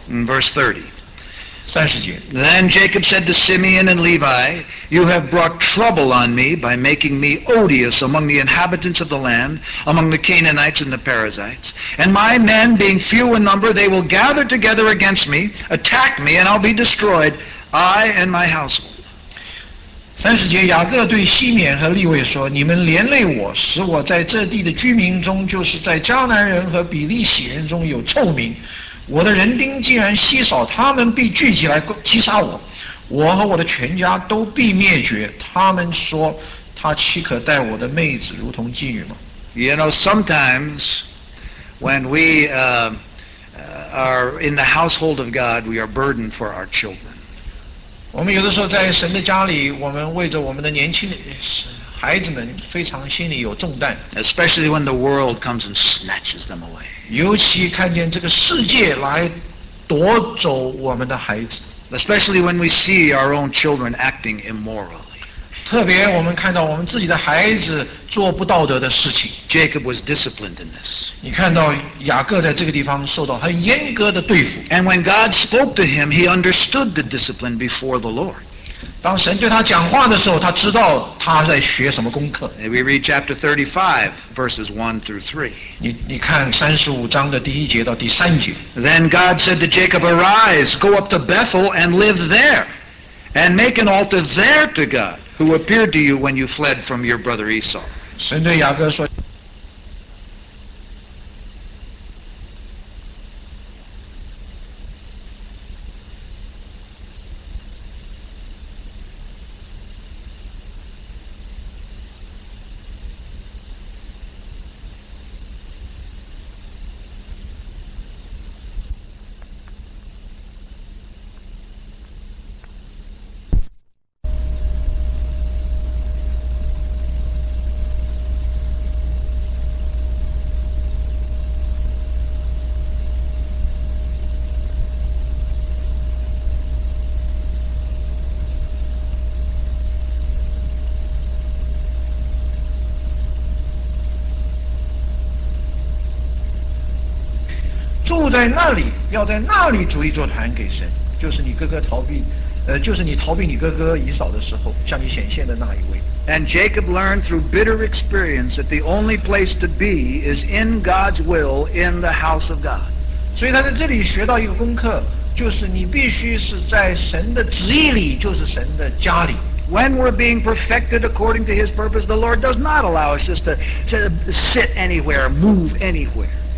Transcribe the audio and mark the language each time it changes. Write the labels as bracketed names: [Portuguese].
[English] Verse 30. [Chinese] 三十节。 [English] Then Jacob said to Simeon and Levi, You have brought trouble on me by making me odious among the inhabitants of the land, among the Canaanites and the Perizzites. And my men being few in number, they will gather together against me, attack me, and I'll be destroyed, I and my household. [Chinese] 三十节，雅各对西缅和利未说，你们连累我，使我在这地的居民中，就是在迦南人和比利洗人中有臭名。我的人丁既然稀少，他们必聚集来击杀我，我和我的全家都必灭绝。他们说，他岂可待我的妹子如同妓女吗？ [English] You know, sometimes when we are in the household of God, we are burdened for our children. [Chinese] 我们有的时候在神的家里，我们为着我们的年轻的孩子们非常心里有重担。 [English] Especially when the world comes and snatches them away. [Chinese] 尤其看见这个世界来夺走我们的孩子。 [English] Especially when we see our own children acting immorally. [Chinese] 特别我们看到我们自己的孩子做不道德的事情。 [English] Jacob was disciplined in this. [Chinese] 你看到雅各在这个地方受到很严格的对付。 [English] And when God spoke to him, he understood the discipline before the Lord. [Chinese] 当神对他讲话的时候，他知道他在学什么功课。 [English] We read chapter 35, verses 1 through 3. [Chinese] 你看三十五章的第一节到第三节。 [English] Then God said to Jacob, Arise, go up to Bethel and live there, and make an altar there to God, who appeared to you when you fled from your brother Esau. [Chinese] 神对雅各说，在那里要在那里筑一座坛给神，就是你哥哥逃避，就是你逃避你哥哥以扫的时候向你显现的那一位。 [English] And Jacob learned through bitter experience that the only place to be is in God's will in the house of God. [Chinese] 所以他在这里学到一个功课，就是你必须是在神的旨意里，就是神的家里。 [English] When we're being perfected according to his purpose, the Lord does not allow us just to sit anywhere, move anywhere.